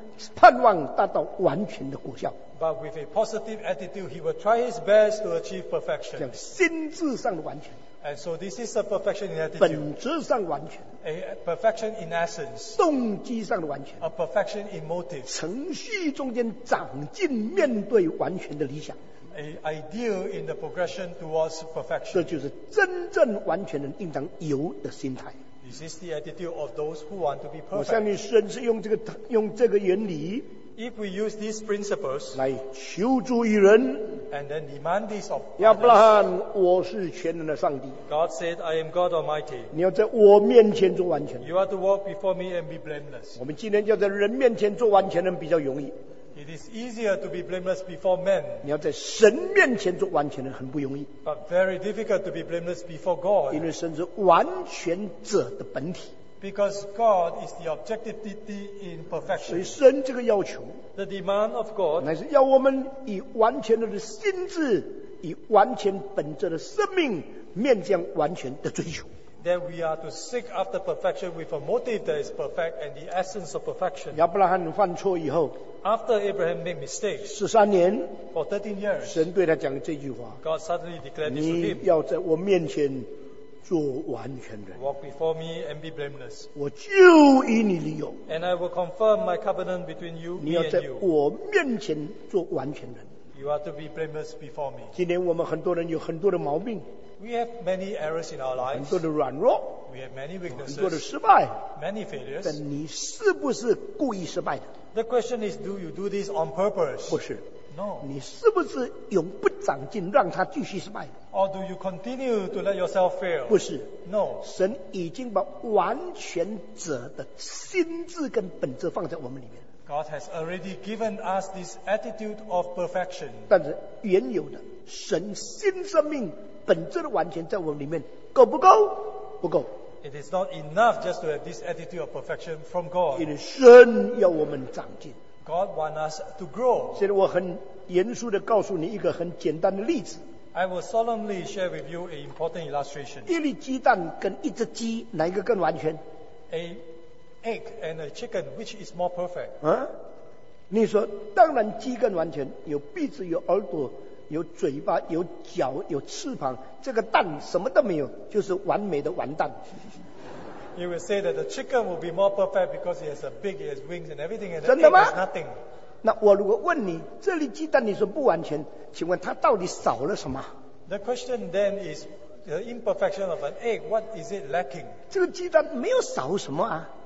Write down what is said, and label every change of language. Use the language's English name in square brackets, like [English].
[Chinese] 他要用完全的心智在完全的本质上下功夫，盼望达到完全的果效。 [English] But with a positive attitude, he will try his best to achieve perfection. [Chinese] 这样心智上的完全。 [English] And so this is a perfection in attitude. [Chinese] 本质上完全。 [English] A perfection in essence. [Chinese] 动机上的完全。 [English] A perfection in motive. [Chinese] 程序中间长进面对完全的理想。 [English] A ideal in the progression towards perfection. [Chinese] 这就是真正完全人应当有的心态。 [English] This is the attitude of those who want to be perfect. [Chinese] 我向你宣誓用这个原理。 [English] If we use these principles, [Chinese] 来求助于人, [English] and then demand this of others, [Chinese] 亚伯拉罕, 我是全能的上帝, [English] God said, I am God Almighty. [Chinese] 你要在我面前做完全, [English] you are to walk before me and be blameless. [Chinese] 我们今天要在人面前做完全人比较容易, [English] it is easier to be blameless before men. [Chinese] 你要在神面前做完全人很不容易, [English] but very difficult to be blameless before God. [Chinese] 因为神是完全者的本体。 [English] Because God is the objectivity in perfection. [Chinese] 所以神这个要求, [English] the demand of God, [Chinese] 乃是要我们以完全的心智, 以完全本质的生命, 面向完全的追求。 [English] Then we are to seek after perfection with a motive that is perfect and the essence of perfection. [Chinese] 亚伯拉罕犯错以后, [English] after Abraham made mistakes, [Chinese] 13年, [English] for 13 years, [Chinese] 神对他讲这句话, [English] God suddenly declared this to him. [Chinese] 你要在我面前, 做完全人, [English] walk before me and be blameless. [Chinese] 我就与你立约, [English] and I will confirm my covenant between you, me and you. [Chinese] 你要在我面前做完全人, [English] you are to be blameless before me. [Chinese] 今天我们很多人有很多的毛病, [English] we have many errors in our lives, [Chinese] 很多的软弱, [English] we have many weaknesses, [Chinese] 很多的失败, [English] many failures. [Chinese] 但你是不是故意失败的? [English] The question is, do you do this on purpose? [Chinese] 不是。 [English] No. [Chinese] 你是不是永不长进, 让他继续失败? [English] Or do you continue to let yourself fail? [Chinese] 不是。 [English] No. [Chinese] 神已经把完全者的心智跟本质放在我们里面。 [English] God has already given us this attitude of perfection. [Chinese] 但是原有的, 神新生命本质的完全在我们里面, 够不够? 不够。 [English] It is not enough just to have this attitude of perfection from God. [Chinese] 因为神要我们长进。 [English] God want us to grow. [Chinese] 现在我很严肃地告诉你一个很简单的例子。 [English] I will solemnly share with you an important illustration. [Chinese] 一粒鸡蛋跟一只鸡, 哪一个更完全? [English] A egg and a chicken, which is more perfect? 啊? [Chinese] 你说, 当然鸡更完全, 有鼻子, 有耳朵, 有嘴巴, 有脚, 有翅膀, 这个蛋, 什么都没有, 就是完美的完蛋。 [English] You will say that the chicken will be more perfect because it has a big, it has wings and everything, and the egg has nothing. [Chinese] 那我如果问你, 这粒鸡蛋你说不完全, 请问它到底少了什么? [English] The question then is the imperfection of an egg, what is it lacking? [Chinese] 这个鸡蛋没有少什么啊?